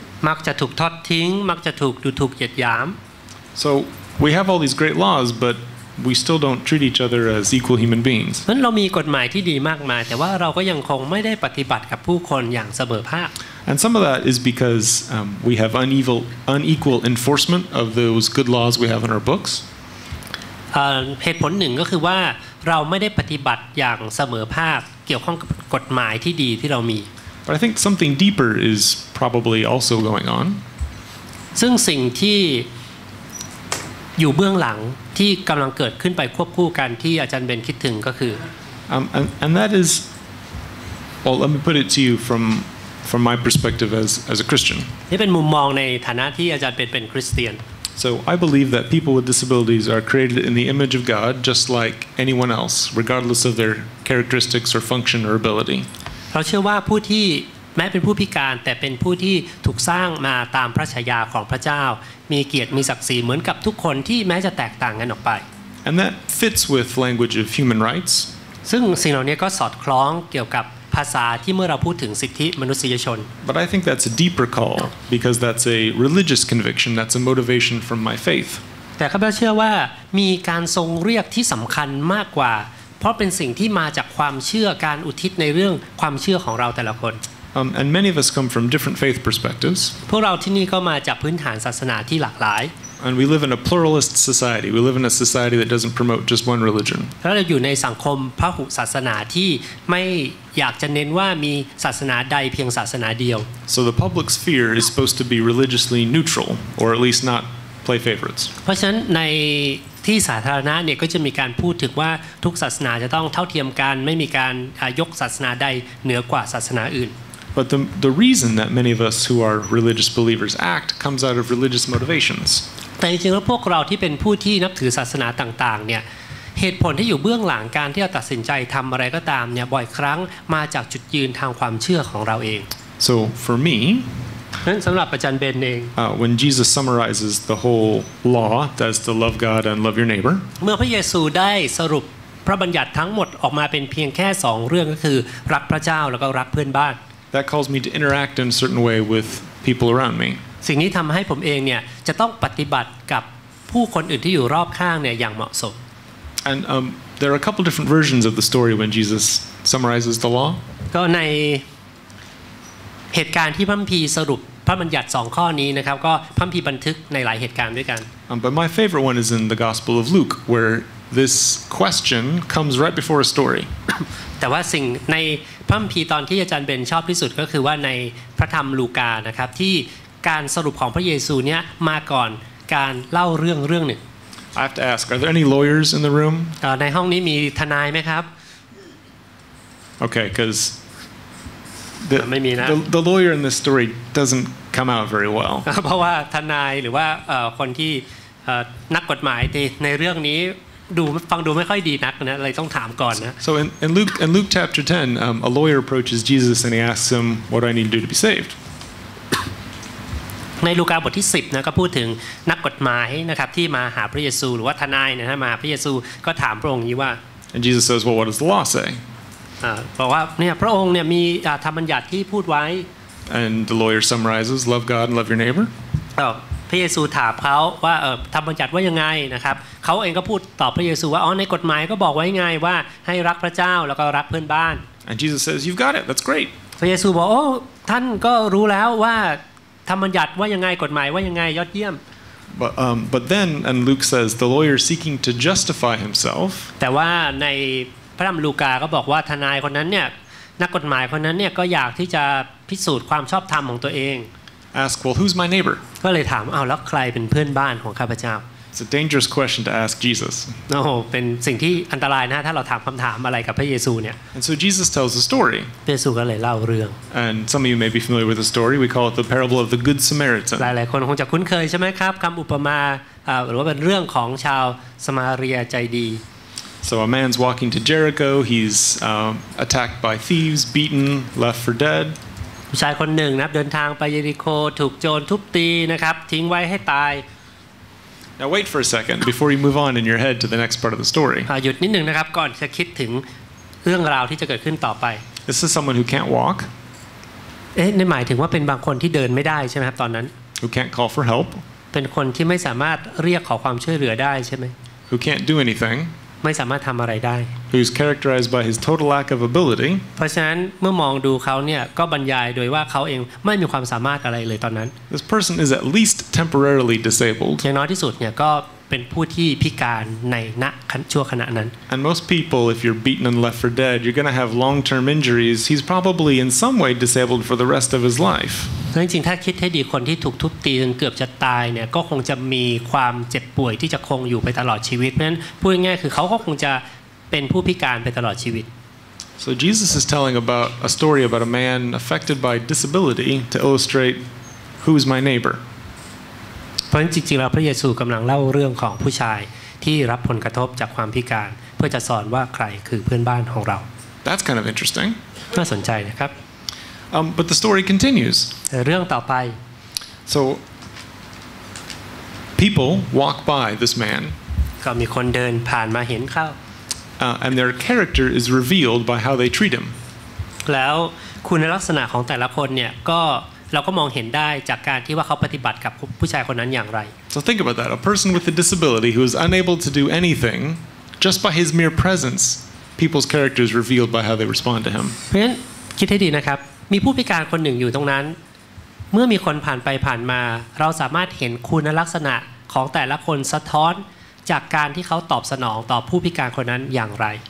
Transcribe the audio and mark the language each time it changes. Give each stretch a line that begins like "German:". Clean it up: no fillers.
Thai: มักจะถูกทอดทิ้งมักจะถูกดูถูกเหยียดหยาม
English: So we have all these great laws but we still don't treat each other as equal human beings
Thai: เรามีกฎหมายที่ดีมากมายแต่ว่าเราก็ยังคงไม่ได้ปฏิบัติกับผู้คนอย่างเสมอภาค
English: And some of that is because we have unequal enforcement of those good laws we have in our books
Thai: เหตุผลหนึ่งก็คือว่าเราไม่ได้ปฏิบัติอย่างเสมอภาคเกี่ยวข้องกับกฎหมายที่ดีที่เรามี
English: But I think something deeper is probably also going on.
Thai: ซึ่งสิ่งที่อยู่เบื้องหลังที่กำลังเกิดขึ้นไปควบคู่กันที่อาจารย์เบนคิดถึงก็คือ
English: and that is well let me put it to you from my perspective as a Christian.
Thai: นี่เป็นมุมมองในฐานะที่อาจารย์เป็นคริสเตียน
English: So I believe that people with disabilities are created in the image of God just like anyone else regardless of their characteristics or function or ability.
Thai: เราเชื่อว่าผู้ที่แม้เป็นผู้พิการแต่เป็นผู้ที่ถูกสร้างมาตามพระฉายาของพระเจ้ามีเกียรติมีศักดิ์ศรีเหมือนกับทุกคนที่แม้จะแตกต่างกันออกไป
English: And that fits with language of human rights
Thai: ซึ่งสิ่งเหล่านี้ก็สอดคล้องเกี่ยวกับภาษาที่เมื่อเราพูดถึงสิทธิมนุษยชน
English: But I think that's a deeper call because that's a religious conviction that's a motivation from my faith
Thai: แต่ข้าพเจ้าเชื่อว่ามีการทรงเรียกที่สำคัญมากกว่าเพราะเป็นสิ่งที่มาจากความเชื่อการอุทิศในเรื่องความเชื่อของเราแต่ละคน
English: and many of us come from different faith perspectives
Thai: พวกเราที่นี่ก็มาจากพื้นฐานศาสนาที่หลากหลาย
English: and we live in a pluralist society we live in a society that doesn't promote just one religion
Thai: เราอยู่ในสังคมพหุศาสนาที่ไม่อยากจะเน้นว่ามีศาสนาใดเพียงศาสนาเดียว
English: so the public sphere is supposed to be religiously neutral or at least not play favorites
Thai: เพราะฉะนั้นในที่สาธารณะเนี่ยก็จะมีการพูดถึงว่าทุกศาสนาจะต้องเท่าเทียมกันไม่มีการยกศาสนาใดเหนือกว่าศาสนาอื่น
English: But the reason that many of us who are religious believers act comes out of religious motivations
Thai: แต่จริงๆแล้วพวกเราที่เป็นผู้ที่นับถือศาสนาต่างๆเนี่ยเหตุผลที่อยู่เบื้องหลังการที่เราตัดสินใจทำอะไรก็ตามเนี่ยบ่อยครั้งมาจากจุดยืนทางความเชื่อของเราเอง
English: So for me
Thai: สำหรับอาจารย์เบนเอง
English: When Jesus summarizes the whole law as to love God and love your neighbor
Thai: เมื่อพระเยซูได้สรุปพระบัญญัติทั้งหมดออกมาเป็นเพียงแค่2เรื่องก็คือรักพระเจ้าแล้วก็รักเพื่อนบ้าน
English: That calls me to interact in a certain way with people around me
Thai: สิ่งนี้ทำให้ผมเองเนี่ยจะต้องปฏิบัติกับผู้คนอื่นที่อยู่รอบข้างเนี่ยอย่างเหมาะสม
English: And there are a couple different versions of the story when Jesus summarizes the law
Thai: ก็ในเหตุการณ์ที่พระคัมภีร์สรุปพระบัญญัติ2ข้อนี้นะครับก็พระคัมภีร์บันทึกในหลายเหตุการณ์ด้วยกัน
English: But my favorite one is in the Gospel of Luke where this question comes right before a story
Thai: แต่ว่าสิ่งในพระคัมภีร์ตอนที่อาจารย์เบนชอบที่สุดก็คือว่าในพระธรรมลูกานะครับที่การสรุปของพระเยซูเนี่ยมาก่อนการเล่าเรื่องหนึ่ง
English: I have to ask are there any lawyers in the room
Thai: ในห้องนี้มีทนายมั้ยครับ
English: Okay cuz
Thai: ไม่มีนะ
English: The lawyer in this story doesn't come out very well
Thai: เพราะว่าทนายหรือว่าคนที่นักกฎหมายในเรื่องนี้ดูฟังดูไม่ค่อยดีนักนะเลยต้องถามก่อนนะ
English: So in Luke chapter 10 a lawyer approaches Jesus and he asks him what do I need to do to be saved
Thai: ในลูกาบทที่10นะก็พูดถึงนักกฎหมายนะครับที่มาหาพระเยซูหรือว่าทนายนะฮะมาพระเยซูก็ถามพระองค์นี้ว่า
English: And Jesus says well what does the law say
Thai: บอกว่าเนี่ยพระองค์เนี่ยมีธรรมบัญญัติที่พูดไว้
English: And the lawyer summarizes love God and love your neighbor
Thai: พระเยซูถามเขาว่าธรรมบัญญัติว่ายังไงนะครับเขาเองก็พูดตอบพระเยซูว่าอ๋อในกฎหมายก็บอกไว้ไงว่าให้รักพระเจ้าแล้วก็รักเพื่อนบ้าน
English: And Jesus says you've got it that's great
Thai: พระเยซูบอกโอ้ท่านก็รู้แล้วว่าธรรมบัญญัติว่ายังไงกฎหมายว่ายังไงยอดเยี่ยม
English: but then and Luke says the lawyer seeking to justify himself
Thai: แต่ว่าในพระธรรมลูกาก็บอกว่าทนายคนนั้นเนี่ยนักกฎหมายคนนั้นเนี่ยก็อยากที่จะพิสูจน์ความชอบธรรมของตัวเอง
English: Ask well who's my neighbor
Thai: ก็เลยถามอ้าวแล้วใครเป็นเพื่อนบ้านของข้าพเจ้า
English: It's a dangerous question to ask Jesus.
Thai: โอ้โหเป็นสิ่งที่อันตรายนะถ้าเราถามคำถามอะไรกับพระเยซูเนี่ย
English: And so Jesus tells a story.
Thai: พระเยซูก็เลยเล่าเรื่อง
English: And some of you may be familiar with the story. We call it the parable of the good Samaritan.
Thai: หลายๆคนคงจะคุ้นเคยใช่ไหมครับคำอุปมาหรือว่าเป็นเรื่องของชาวสมาเรียใจดี
English: So a man's walking to Jericho. He's attacked by thieves, beaten, left for dead.
Thai: ผู้ชายคนหนึ่งนะเดินทางไปเยริโคถูกโจรทุบตีนะครับทิ้งไว้ให้ตาย
English: Now wait for a second before you move on in your head to the next part of the story
Thai: หยุดนิดนึงนะครับก่อนจะคิดถึงเรื่องราวที่จะเกิดขึ้นต่อไป
English: This is someone who can't walk
Thai: เอ๊ะนี่หมายถึงว่าเป็นบางคนที่เดินไม่ได้ใช่ไหมครับตอนนั้น
English: Who can't call for help
Thai: เป็นคนที่ไม่สามารถเรียกขอความช่วยเหลือได้ใช่ไหม
English: Who can't do anything
Thai: ไม่สามารถทำอะไรได้
English: Who's characterized by his total lack of ability
Thai: เพราะฉะนั้นเมื่อมองดูเขาเนี่ยก็บรรยายโดยว่าเขาเองไม่มีความสามารถอะไรเลยตอนนั้น
English: This person is at least temporarily disabled
Thai: อย่างน้อยที่สุดเนี่ยก็เป็นผู้ที่พิการในณชั่วขณะนั้น
English: And most people if you're beaten and left for dead you're going to have long-term injuries he's probably in some way disabled for the rest of his life
Thai: จริงๆถ้าคิดให้ดีคนที่ถูกทุบตีจนเกือบจะตายเนี่ยก็คงจะมีความเจ็บป่วยที่จะคงอยู่ไปตลอดชีวิตเพราะฉะนั้นพูดง่ายๆคือเขาก็คงจะเป็นผู้พิการไปตลอดชีวิต
English: So Jesus is telling about a story about a man affected by disability to illustrate who's my neighbor
Thai: เพราะจริงๆแล้วพระเยซูกำลังเล่าเรื่องของผู้ชายที่รับผลกระทบจากความพิการเพื่อจะสอนว่าใครคือเพื่อนบ้านของเรา
English: That's kind of interesting
Thai: น่าสนใจนะครับ
English: But the story continues.
Thai: เรื่องต่อไป
English: So people walk by this man.
Thai: ก็มีคนเดินผ่านมาเห็นเขา
English: And their character is revealed by how they treat him.
Thai: แล้วคุณลักษณะของแต่ละคนเนี่ยก็เราก็มองเห็นได้จากการที่ว่าเขาปฏิบัติกับผู้ชายคนนั้นอย่างไร
English: So think about that. A person with a disability who is unable to do anything just by his mere presence, people's character is revealed by how they respond to him.
Thai: เพราะฉะนั้นคิดให้ดีนะครับมีผู้พิการคนหนึ่งอยู่ตรงนั้นเมื่อมีคนผ่านไปผ่านมาเราสามารถเห็นคุณลักษณะของแต่ละคนสะท้อนจากการที่เขาตอบสนองต่อผู้พิการคนนั้นอย่างไร